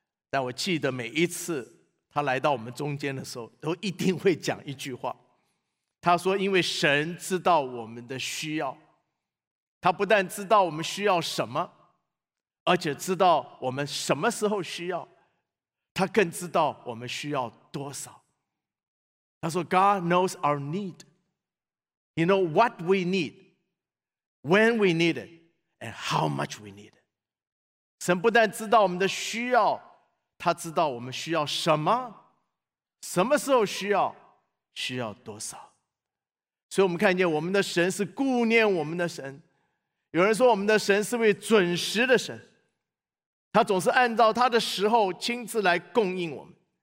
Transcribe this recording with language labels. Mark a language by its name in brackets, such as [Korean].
[Chinese] 但我记得每一次他来到我们中间的时候，都一定会讲一句话。他说，因为神知道我们的需要，他不但知道我们需要什么，而且知道我们什么时候需要，他更知道我们需要多少。他说 [English] God knows our need. He knows what we need, when we need it, and how much we need it. [Chinese] 神不但知道我们的需要，他知道我们需要什么，什么时候需要，需要多少。所以我们看见我们的神是顾念我们的神。有人说我们的神是位准时的神，他总是按照他的时候亲自来供应我们。